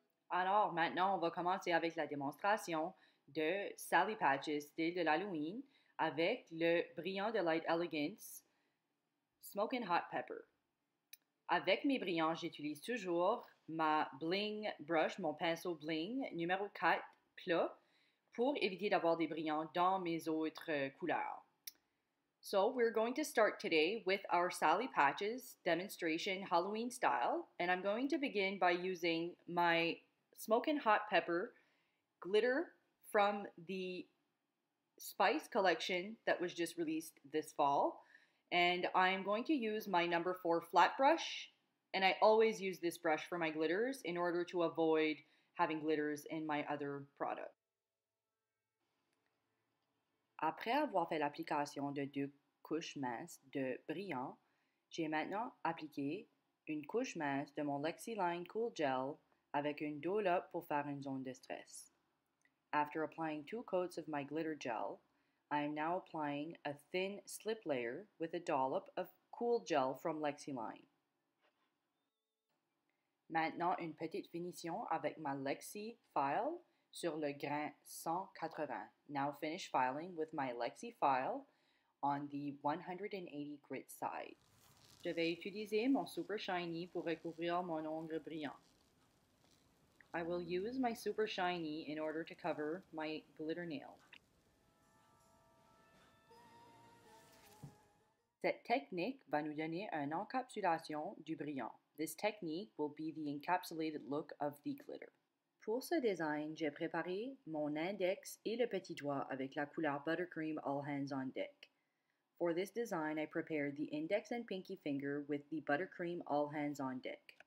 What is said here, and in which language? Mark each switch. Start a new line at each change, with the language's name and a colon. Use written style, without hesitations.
French: Alors, maintenant, on va commencer avec la démonstration de Sally Patches, style de l'Halloween, avec le brillant de Light Elegance, Smokin' Hot Pepper. Avec mes brillants, j'utilise toujours ma bling brush, mon pinceau bling numéro 4 plat, pour éviter d'avoir des brillants dans mes autres couleurs.
English: So we're going to start today with our Sally Patches demonstration Halloween style, and I'm going to begin by using my Smokin' Hot Pepper glitter from the Spice collection that was just released this fall. And I'm going to use my number 4 flat brush, and I always use this brush for my glitters in order to avoid having glitters in my other product.
French: Après avoir fait l'application de deux couches minces de brillant, j'ai maintenant appliqué une couche mince de mon Lexiline Cool Gel avec une dollop pour faire une zone de stress.
English: After applying two coats of my glitter gel, I am now applying a thin slip layer with a dollop of cool gel from Lexiline.
French: Maintenant, une petite finition avec ma Lexi file sur le grain 180.
English: Now finish filing with my Lexi file on the 180 grit side.
French: Je vais utiliser mon Super Shiny pour recouvrir mon ongle brillant.
English: I will use my Super Shiny in order to cover my glitter nail.
French: Cette technique va nous donner une encapsulation du brillant.
English: This technique will be the encapsulated look of the glitter.
French: Pour ce design, j'ai préparé mon index et le petit doigt avec la couleur Buttercream All Hands on Deck.
English: For this design, I prepared the index and pinky finger with the Buttercream All Hands on Deck.